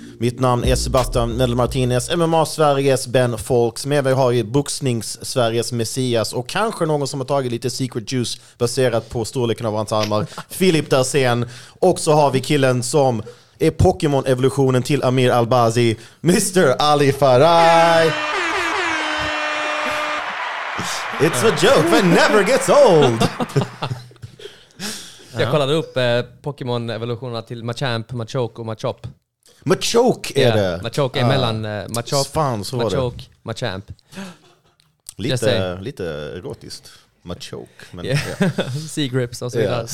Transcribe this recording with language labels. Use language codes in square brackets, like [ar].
[sv] Mitt namn är Sebastian Nedel Martinez, MMA Sveriges Ben Folks. Med mig har ju boxningssveriges messias och kanske någon som har tagit lite [en] secret juice [sv] baserat på storleken av hans armar, Filip Darsén. Och så har vi killen som är Pokémon-evolutionen till Amir Albazi, Mr. Ali Faraj. [en] It's a joke that never gets old. [sv] Jag kollade upp Pokémon-evolutionerna till Machamp, Machoke och Machop. Machoke är det. Machoke är mellan Machop, fan, Machoke, Machamp. Lite erotiskt. Machoke. Men, yeah. Sea grips och så vidare.